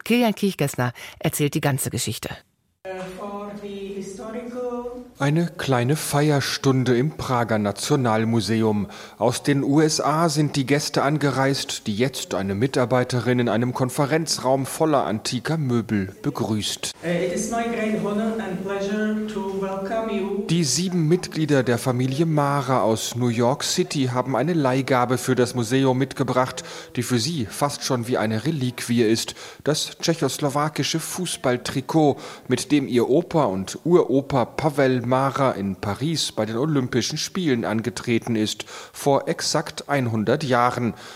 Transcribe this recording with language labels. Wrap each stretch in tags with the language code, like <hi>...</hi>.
<de>Kilian Kirchgessner erzählt die ganze Geschichte. Eine kleine Feierstunde im Prager Nationalmuseum. Aus den USA sind die Gäste angereist, die jetzt eine Mitarbeiterin in einem Konferenzraum voller antiker Möbel begrüßt.</de> <en>It is my great honor and pleasure to welcome you.</en> <de>Die 7 Mitglieder der Familie Mára aus New York City haben eine Leihgabe für das Museum mitgebracht, die für sie fast schon wie eine Reliquie ist. Das tschechoslowakische Fußballtrikot, mit dem ihr Opa und Uropa Pavel Mára in Paris bei den Olympischen Spielen angetreten ist, vor exakt 100 Jahren.</de>